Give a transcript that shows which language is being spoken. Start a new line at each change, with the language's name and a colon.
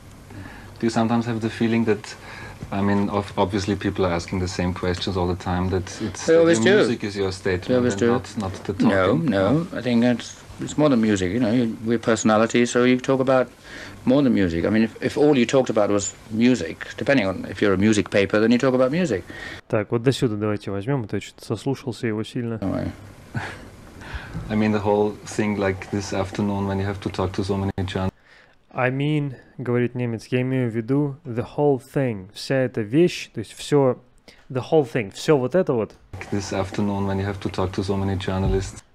English: Do you sometimes have the feeling that, I mean, obviously people are asking the same questions all the time, that it's they always your do. Music is your statement and not the talking? No, I think it's more than music, you know, we're personality, so you talk about more than music. I mean, if all you talked about was music, depending on if you're a music paper, then you talk about music.
Russian: Так, вот до сюда давайте возьмем, а то я что-то сослушался его сильно. Давай.
English: I mean, the whole thing like this afternoon when you have to talk to so many journalists. I mean,
Russian: говорит немец, я имею в виду
English: the whole thing,
Russian: вся эта вещь, то есть все, the whole thing, все вот это вот.
English: This afternoon when you have to talk to so many journalists.